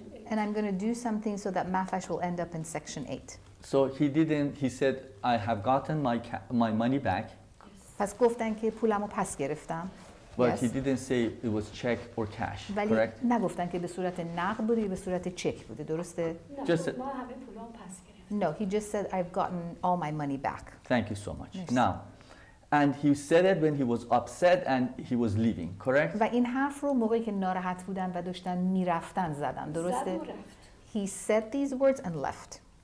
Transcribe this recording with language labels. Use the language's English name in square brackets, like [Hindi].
[English] And I'm going to do something so that Mahfash will end up in Section 8." So he didn't. He said, "I have gotten my money back." [Persian] پس گفتن که پولامو پس گرفتم. [English] But he didn't say it was check or cash. Correct. [Persian] نگفتن که به صورت نقد بوده یا به صورت چک بوده. درسته. Just ما همه پولامو پس گرفتیم. [English] No, he just said, "I've gotten all my money back." Thank you so much. Yes. Now, and he said it when he was upset and he was leaving, correct? [Persian] و این حرف رو موقعی که ناراحت بودن و داشتن میرفتن زدن، درسته؟ [English] He said these words and left.